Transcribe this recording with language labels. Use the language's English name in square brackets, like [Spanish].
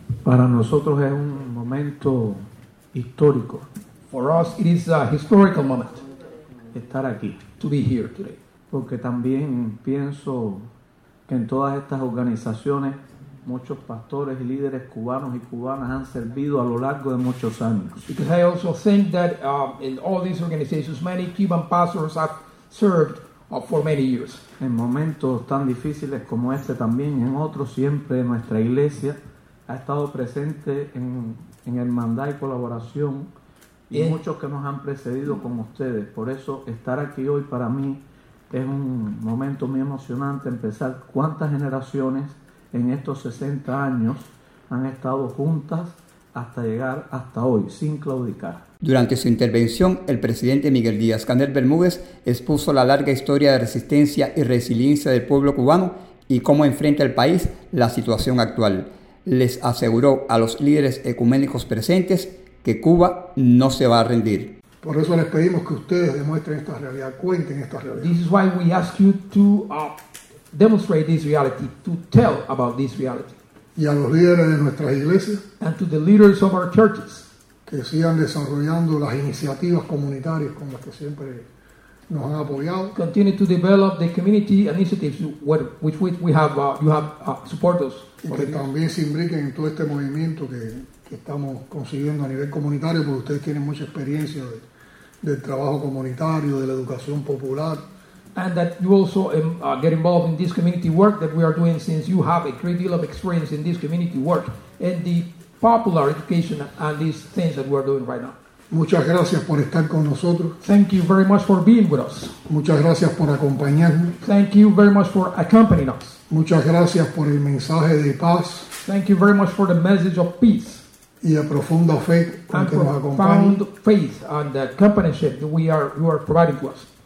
[Spanish] Para nosotros es un momento histórico. [English] For us it is a historical moment. [Spanish] Estar aquí. [English] To be here today. [Spanish] Porque también pienso que en todas estas organizaciones muchos pastores y líderes cubanos y cubanas han servido a lo largo de muchos años. [English] Because I also think that in all these organizations, many Cuban pastors have served for many years. [Spanish] En momentos tan difíciles como este también, en otros, siempre nuestra iglesia ha estado presente en hermandad y colaboración y muchos que nos han precedido con ustedes. Por eso estar aquí hoy para mí es un momento muy emocionante empezar. ¿Cuántas generaciones en estos 60 años han estado juntas hasta llegar hasta hoy, sin claudicar? Durante su intervención, el presidente Miguel Díaz-Canel Bermúdez expuso la larga historia de resistencia y resiliencia del pueblo cubano y cómo enfrenta el país la situación actual. Les aseguró a los líderes ecuménicos presentes que Cuba no se va a rendir. Por eso les pedimos que ustedes demuestren esta realidad, cuenten esta realidad. [English] This is why we ask you to demonstrate this reality, to tell about this reality. [Spanish] Y a los líderes de nuestras iglesias. [English] And to the leaders of our churches. [Spanish] Que sigan desarrollando las iniciativas comunitarias con las que siempre nos han apoyado. [English] Continue to develop the community initiatives with which we have you have supported us. [Spanish] Y que también se imbriquen en todo este movimiento que estamos consiguiendo a nivel comunitario, porque ustedes tienen mucha experiencia del trabajo comunitario, de la educación popular. [English] And that you also get involved in this community work that we are doing, since you have a great deal of experience in this community work and the popular education and these things that we are doing right now. [Spanish] Muchas gracias por estar con nosotros. [English] Thank you very much for being with us. [Spanish] Muchas gracias por acompañarnos. [English] Thank you very much for accompanying us. [Spanish] Muchas gracias por el mensaje de paz. [English] Thank you very much for the message of peace. [Spanish] Y a profunda fe con que nos acompañan. [English] Profound faith and the companionship that you are providing to us.